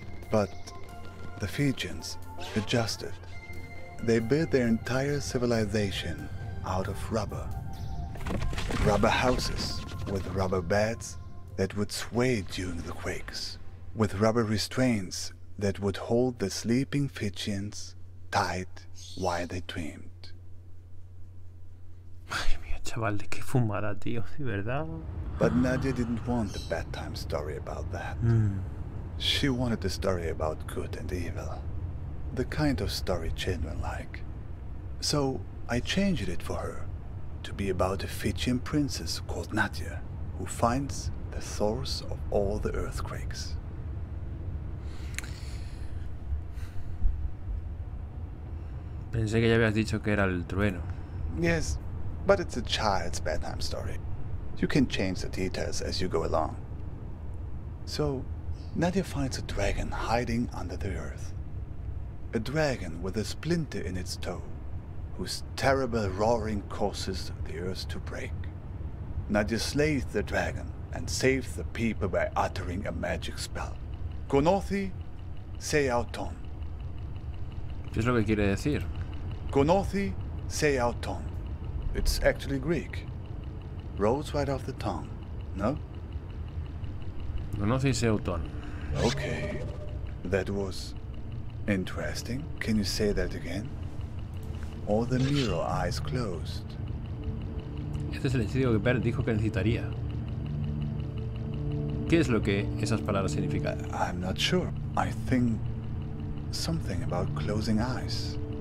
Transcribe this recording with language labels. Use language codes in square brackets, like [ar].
[en] But the Fijians adjusted. They built their entire civilization out of rubber. Rubber houses with rubber beds that would sway during the quakes, with rubber restraints that would hold the sleeping Fijians tight while they dreamed. [es] Ay, mía, chaval, qué fumada, tío, de verdad. [en] But Nadia didn't want a bedtime story about that. She wanted a story about good and evil. The kind of story children like. So I changed it for her to be about a Fijian princess called Nadia, who finds the source of all the earthquakes. [es] Pensé que ya habías dicho que era el trueno. [en] Yes, but it's a child's bedtime story. You can change the details as you go along. So Nadia finds a dragon hiding under the earth. A dragon with a splinter in its toe, whose terrible roaring causes the earth to break. Nadia slays the dragon and saves the people by uttering a magic spell. [el] Conoce se auton. [es] ¿Qué es lo que quiere decir? [el] Conoce se auton. [en] It's actually Greek. Rolls right off the tongue, no? [el] Conoce se auton. [en] Okay, that was interesting. Can you say that again? All the mirror eyes closed. [es] Este es el hechizo que Bert dijo que necesitaría. ¿Qué es lo que esas palabras significan? [en] I'm not sure. I think something about closing eyes.